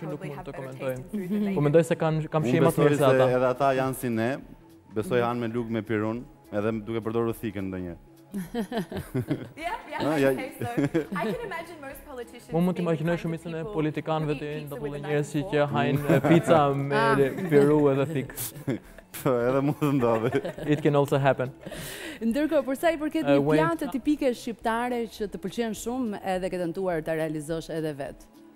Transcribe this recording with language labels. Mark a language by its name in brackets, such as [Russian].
[English] I'm sure I probably have better taste in food than they do. I'm sure I probably have better taste in food than they do. [Albanian] Edhe ata janë si ne, besoj janë me lugë me pirun, edhe duke përdorë rrethikën ndonjë. [English] Yeah, okay, so I can imagine most politicians. [Albanian] Unë mund të imagjinoj shumë se politikanëve të ndodhin njerëz që hajnë pizza me peru edhe thik. Po, edhe mund të ndodhë. [English] It can also happen. [Albanian] Ndërkohë, për sa i përket një pjatë tipike shqiptare që të pëlqen shumë edhe ke tentuar ta realizosh edhe vet.